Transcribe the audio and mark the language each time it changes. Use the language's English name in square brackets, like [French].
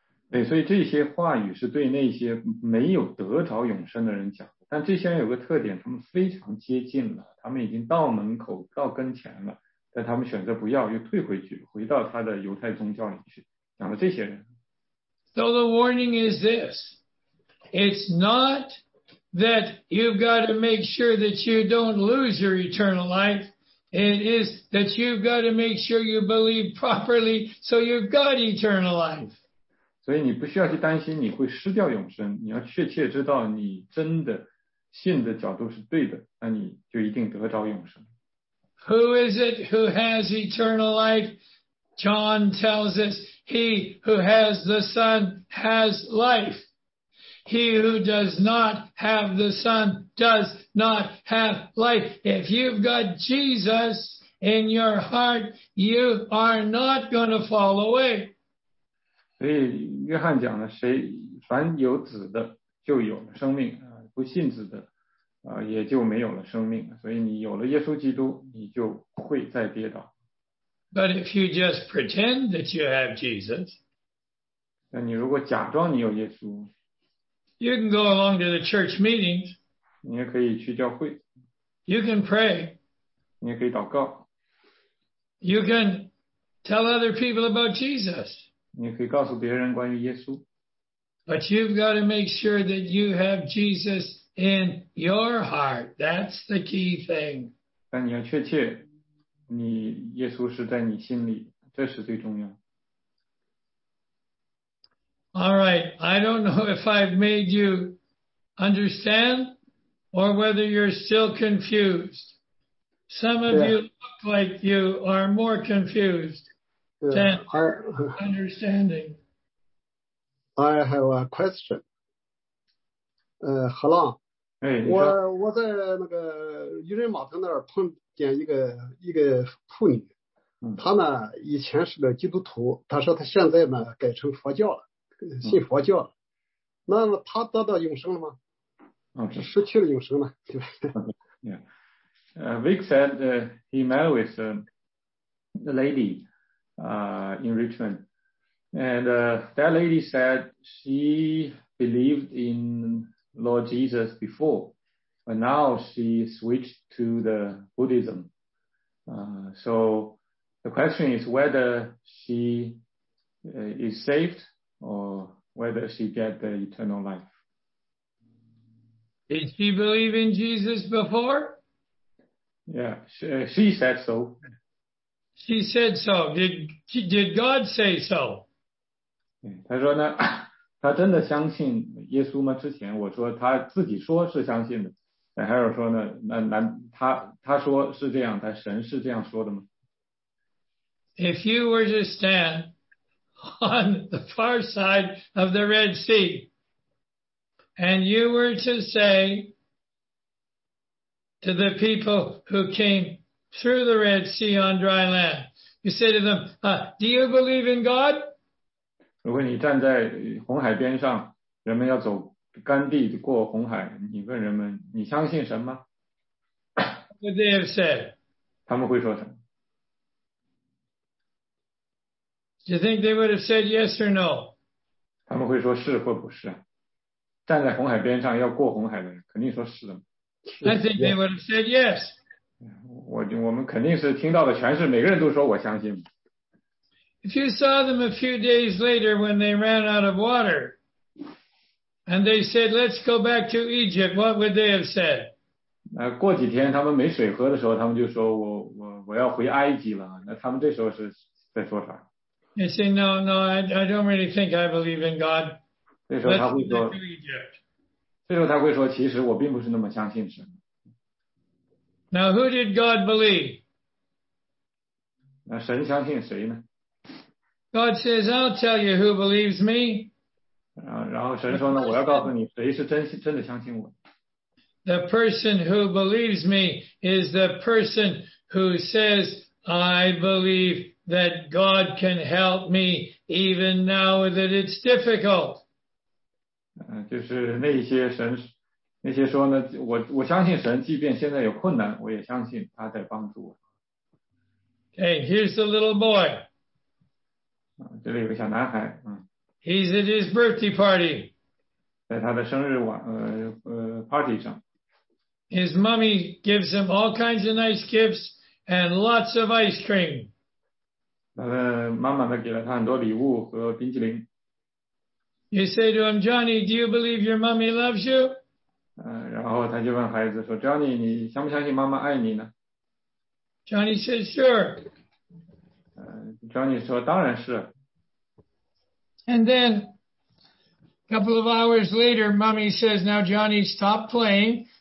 [Chinese] 对，所以这些话语是对那些没有得着永生的人讲的。但这些人有个特点，他们非常接近了，他们已经到门口，到跟前了，但他们选择不要，又退回去，回到他的犹太宗教里去，讲了这些人。 [English] So the warning is this. It's not that you've got to make sure that you don't lose your eternal life. It is that you've got to make sure you believe properly so you've got eternal life. [Chinese] 所以你不需要去担心你会失掉永生，你要确切知道你真的信的角度是对的，那你就一定得着永生。 [English] Who is it who has eternal life? John tells us, he who has the Son has life. He who does not have the Son does not have life. If you've got Jesus in your heart, you are not going to fall away. [Chinese] 所以约翰讲了，谁凡有子的就有了生命，不信子的也就没有了生命。所以你有了耶稣基督，你就不会再跌倒。 [English] But if you just pretend that you have Jesus, [Chinese] 那你如果假装你有耶稣， [English] You can go along to the church meetings. [Chinese] 你也可以去教会。 [English] You can pray. [Chinese] 你也可以祷告。 [English] You can tell other people about Jesus. [Chinese] 你也可以告诉别人关于耶稣。 [English] But you've got to make sure that you have Jesus in your heart. That's the key thing. [Chinese] 但你要确切，你耶稣是在你心里，这是最重要。 [English] All right, I don't know if I've made you understand or whether you're still confused. Some of you look like you are more confused than understanding. I have a question. Hello. Hey, [Chinese] 我在那个渔人码头那儿碰见一个妇女，她呢以前是个基督徒，她说她现在呢改成佛教了。信佛教了，那么他得到永生了吗？失去了永生了，对吧？ [English] Yeah. Vic said he met with the lady in Richmond, and that lady said she believed in Lord Jesus before, but now she switched to the Buddhism. So the question is whether she is saved. Or whether she get the eternal life. Did she believe in Jesus before? Yeah, she said so. She said so. Did God say so? [Chinese] 她说呢，她真的相信耶稣吗？之前我说她自己说是相信的，但还有说呢，她说是这样，但神是这样说的吗？ [English] If you were to stand. On the far side of the Red Sea, and you were to say to the people who came through the Red Sea on dry land, you say to them, do you believe in God? [Chinese] 如果你站在红海边上，人们要走干地过红海，你问人们，你相信神吗？ [English] What would they have said? [Chinese] 他们会说什么？ [English] Do you think they would have said yes or no? [Chinese] 他们会说是或不是。站在红海边上要过红海的人肯定说是的。 [English] I think they would have said yes. [Chinese] 我们肯定是听到的全是每个人都说我相信。 [English] If you saw them a few days later when they ran out of water, and they said, let's go back to Egypt, what would they have said? [Chinese] 过几天他们没水喝的时候他们就说我要回埃及了，那他们这时候是在说啥？ [English] They say, no, I don't really think I believe in God. [Chinese] 这时候他会说， [English] let's go back to Egypt. [Chinese] 这时候他会说其实我并不是那么相信神。 [English] Now who did God believe? [Chinese] 那神相信谁呢？ [English] God says, I'll tell you who believes me. [Chinese] 然后神说呢，我要告诉你谁是真的相信我。 [English] The person who believes me is the person who says, I believe that God can help me even now that it's difficult. [Chinese] 就是那些神，那些说呢，我相信神，即便现在有困难，我也相信他在帮助我。 [English] Okay, here's the little boy. [Chinese] 这里有个小男孩， [English] He's at his birthday party. [Chinese] 在他的生日晚，party 上。 [English] His mommy gives him all kinds of nice gifts and lots of ice cream. [Chinese] 妈妈给了他很多礼物和冰淇淋。 [English] You say to him, Johnny, do you believe your mommy loves you? [Chinese] 然后他就问孩子说 ,Johnny, 你相不相信妈妈爱你呢？ [English] Johnny says, sure. [Chinese] Johnny 说当然是。 [English] And then, a couple of hours later, mommy says, now Johnny, stop playing.